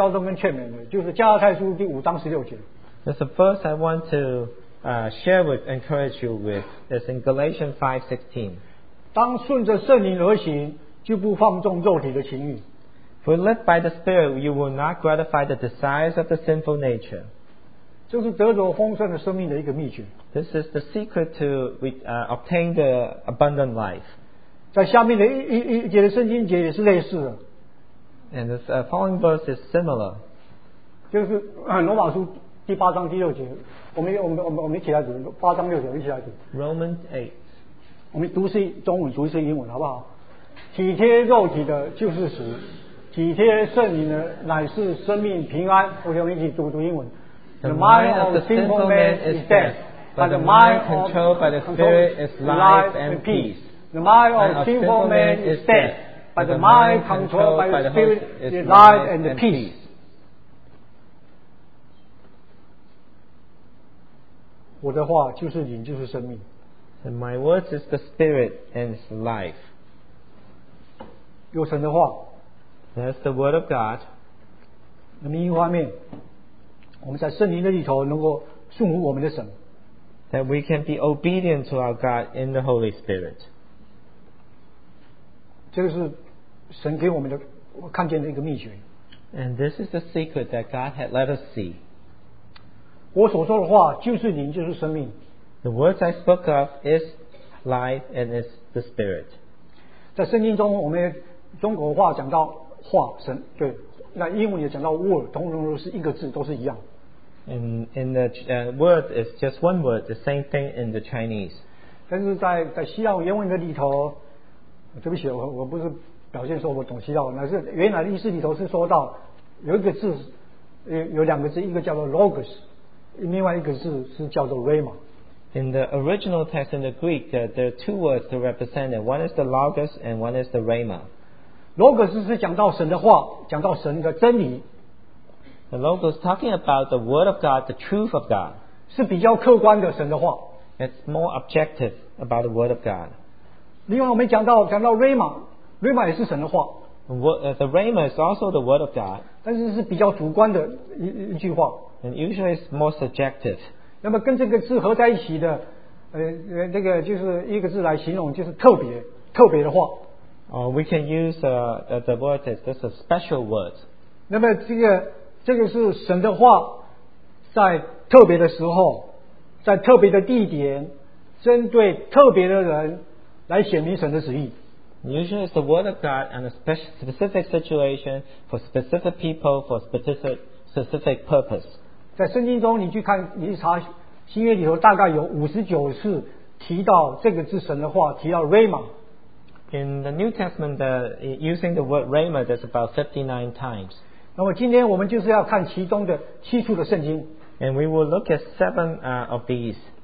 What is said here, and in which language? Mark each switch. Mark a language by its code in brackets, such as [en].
[zh] 下面有一处的圣经节,彼此交通跟劝勉的,就是加拉太书第5章16节。 [en] There's a verse I want to share with, encourage you with. It's in Galatians 5:16. [zh] 当顺着圣灵而行,就不放纵肉体的情欲。 [en] If you live by the Spirit, you will not gratify the desires of the sinful nature. [zh] 这是得着丰盛的生命的一个秘诀。 [en] This is the secret to obtain the abundant life. [zh] 在下面的一节的圣经节也是类似的。 [en] And the following verse is similar. [zh] 就是罗马书第8章第6节, 我们一起来读, 8章6节, 一起来读。 [en] Romans 8. [zh] 我们读是中文, 读是英文, 好不好?体贴肉体的就是死，体贴圣灵的乃是生命平安。我想一起读读英文。 [en] The mind of the sinful man is death, but the mind controlled by the Spirit is life and peace. The mind of the sinful man is death, but the mind controlled by the Spirit is life and peace. [zh] 我的话就是灵，就是生命。 [en] And my words is the Spirit and it's life. [zh] 有神的话。 [en] That's the word of God. [zh] 那么另一方面，我们在圣灵的里头能够顺服我们的神。 [en] That we can be obedient to our God in the Holy Spirit. [zh] 这个是神给我们的，我看见的一个秘诀。 [en] And this is the secret that God had let us see. [zh] 我所说的话就是灵，就是生命。 [en] The words I spoke of is life and is the Spirit. [zh] 在圣经中，我们中国话讲到话神，对，那英文也讲到 word， 同样都是一个字，都是一样。 [en] In the word is just one word, the same thing in the Chinese. [zh] 但是在希腊原文的里头，对不起，我不是表现说我懂希腊，那是原来的意思里头是说到有一个字，有两个字，一个叫做 logos， 另外一个字是叫做 rhema。 [en] In the original text in the Greek, there are two words to represent it. One is the Logos and one is the Rhema. Logos is [zh] 讲到神的话，讲到神的真理。 [en] The Logos talking about the Word of God, the truth of God. [zh] 是比较客观的神的话。 [en] It's more objective about the Word of God. [zh] 另外我们讲到 Rhema， Rhema 也是神的话。 [en] The Rhema is also the Word of God. [zh] 但是是比较主观的一句话。 [en] And usually it's more subjective. [zh] 那么跟这个字合在一起的，那个就是一个字来形容，就是特别，特别的话。 [en] We can use the word is just a special word. [zh] 那么这个是神的话，在特别的时候，在特别的地点，针对特别的人来显明神的旨意。 [en] Usually it's the word of God and a specific situation for specific people for specific purpose. [zh] 在圣经中你去看，你去查新约里头大概有59次提到这个字神的话，提到 Rhema。 [en] In the New Testament, using the word Rhema, there's about 59 times. [zh] 那么今天我们就是要看其中的七处的圣经。 [en] And we will look at seven of these.